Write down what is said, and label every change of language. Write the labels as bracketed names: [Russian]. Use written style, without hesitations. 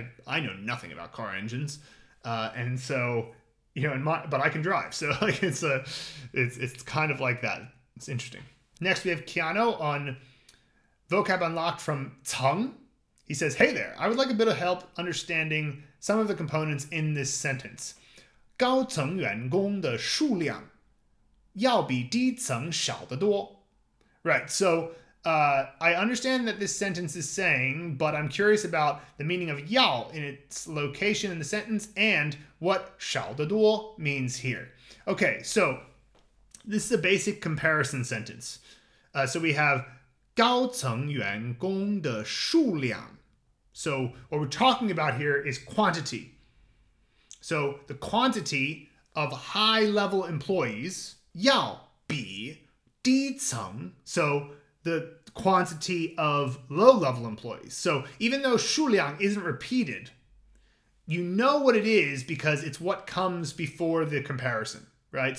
[English] I know nothing about car engines. But I can drive. So like it's kind of like that. It's interesting. Next, we have Keanu on Vocab Unlocked from Cheng. He says, "Hey there, I would like a bit of help understanding some of the components in this sentence. [Chinese] 高层员工的数量 要比低层少得多. [English] Right, so I understand that this sentence is saying, but I'm curious about the meaning of yao in its location in the sentence and what 少得多 means here. Okay, so this is a basic comparison sentence. So we have 高层员工的数量. So what we're talking about here is quantity. So the quantity of high-level employees, [Chinese] 要比低层, [English] so the quantity of low-level employees. So even though 数量 isn't repeated, you know what it is because it's what comes before the comparison, right?